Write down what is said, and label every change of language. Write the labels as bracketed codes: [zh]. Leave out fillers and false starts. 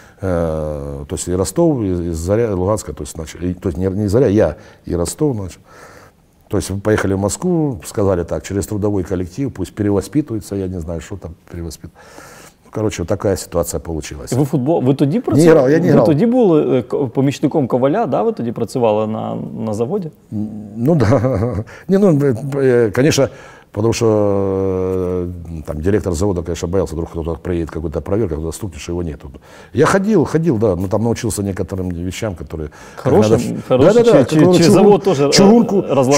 [ru] то есть и Ростов, и Заря, и Луганская, то есть, начали, то есть не Заря, я и Ростов начал. То есть поехали в Москву, сказали так, через трудовой коллектив, пусть перевоспитывается, я не знаю, что там перевоспитывается. Ну, короче, такая ситуация получилась. [uk] Ви тоді працювали? Не грав, я не грав. Ви тоді були помічником коваля, да, ви тоді працювали на заводі? Ну, да. [ru] Не, ну, конечно, потому что там директор завода, конечно, боялся, вдруг кто-то приедет, какую-то проверку, кто-то стукнет, что его нет. Я ходил, да, но там научился некоторым вещам, которые... Хороший завод тоже разлагали.